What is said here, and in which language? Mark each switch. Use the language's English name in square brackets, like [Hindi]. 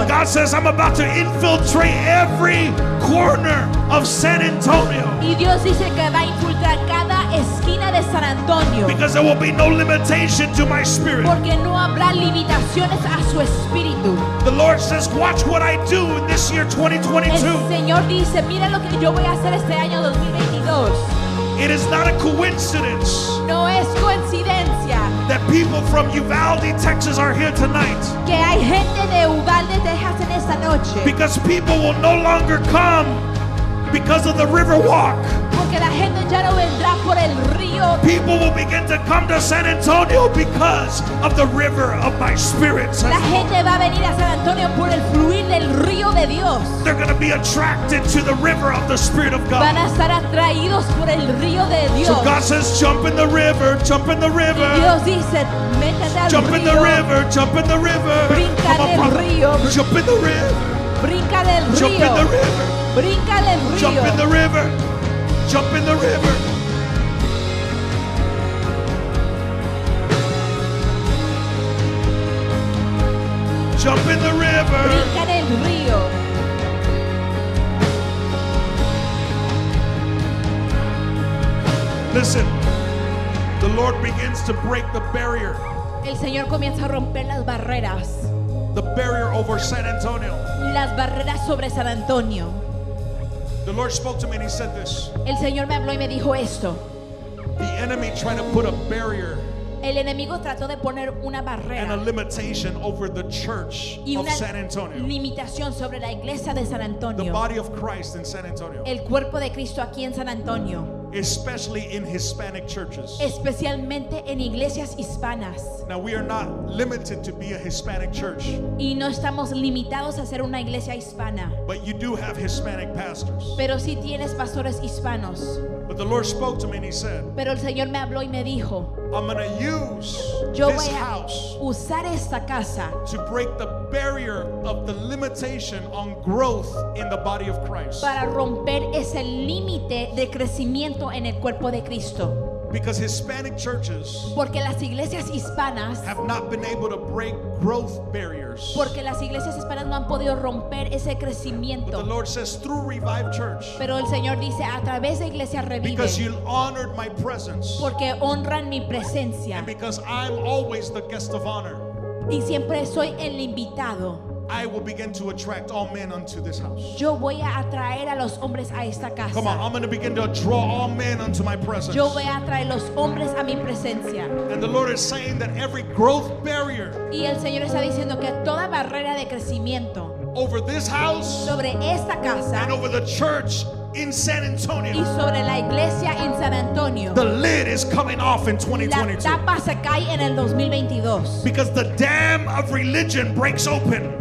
[English] And God says, I'm about to infiltrate every corner of San Antonio. [Spanish] Y Dios dice que va a infiltrar cada esquina de San Antonio. [English] Because there will be no limitation to my spirit. [Spanish] Porque no habrá limitaciones a su espíritu. [English] The Lord says, watch what I do in this year 2022. [Spanish] El Señor dice, mira lo que yo voy a hacer este año 2022. [English] It is not a coincidence. [Spanish] No es coincidencia. [English] That people from Uvalde, Texas are here tonight. [Spanish] Que hay gente de Uvalde, Texas en esta noche. [English] Because people will no longer come because of the river walk. [Spanish] Porque la gente ya no vendrá por el río. [English] People will begin to come to San Antonio because of the river of my spirit. [Spanish] La gente va a venir a San Antonio por el fluir del río de Dios. [English] They're going to be attracted to the river of the Spirit of God. [Spanish] Van a estar atraídos por el río de Dios. [English] So God says, jump in the river, jump in the river. [Spanish] Y Dios dice, métete al río. [English] Jump in the river, jump in the river. [Spanish] Brinca del río. [English] Jump in the river. [Spanish] Brinca del río. [English] Jump in the river. [Spanish] Brinca del río. [English] Jump in the river. Jump in the river. Jump in the river. [Spanish] Brinca en el río. [English] Listen, the Lord begins to break the barrier. [Spanish] El Señor comienza a romper las barreras. [English] The barrier over San Antonio. [Spanish] Las barreras sobre San Antonio. [English] The Lord spoke to me and he said this. [Spanish] El Señor me habló y me dijo esto. [English] The enemy trying to put a barrier. [Spanish] El enemigo trató de poner una barrera. [English] And a limitation over the church of San Antonio. [Spanish] Limitación sobre la iglesia de San Antonio. [English] The body of Christ in San Antonio. [Spanish] El cuerpo de Cristo aquí en San Antonio. [English] Especially in Hispanic churches. [Spanish] Especialmente en iglesias hispanas. [English] Now we are not limited to be a Hispanic church. [Spanish] Y no estamos limitados a ser una iglesia hispana. [English] But you do have Hispanic pastors. [Spanish] Pero sí tienes pastores hispanos. [English] But the Lord spoke to me and he said, [Spanish] pero el Señor me habló y me dijo, [English] I'm going to use [Spanish] yo [English] this [Spanish] voy a [English] house [Spanish] usar esta casa [English] to break the barrier of the limitation on growth in the body of Christ. [Spanish] Para romper ese límite de crecimiento en el cuerpo de Cristo. [English] Because Hispanic churches, [Spanish] porque las iglesias hispanas, [English] have not been able to break growth barriers. [Spanish] Porque las iglesias hispanas no han podido romper ese crecimiento. [English] But the Lord says through Revive Church. [Spanish] Pero el Señor dice a través de Iglesia Revive. [English] Because you honored my presence. [Spanish] Porque honran mi presencia. [English] And because I'm always the guest of honor. [Spanish] Y siempre soy el invitado. [English] I will begin to attract all men unto this house. [Spanish] Yo voy a atraer a los hombres a esta casa. [English] Come on, I'm going to begin to draw all men unto my presence. [Spanish] Yo voy a atraer los hombres a mi presencia. [English] And the Lord is saying that every growth barrier. [Spanish] Y el Señor está diciendo que toda barrera de crecimiento. [English] Over this house. [Spanish] Sobre esta casa. [English] And over the church in San Antonio. [Spanish] Y sobre la iglesia en San Antonio. [English] The lid is coming off in 2022. [Spanish] La tapa se cae en el 2022. [English] Because the dam of religion breaks open.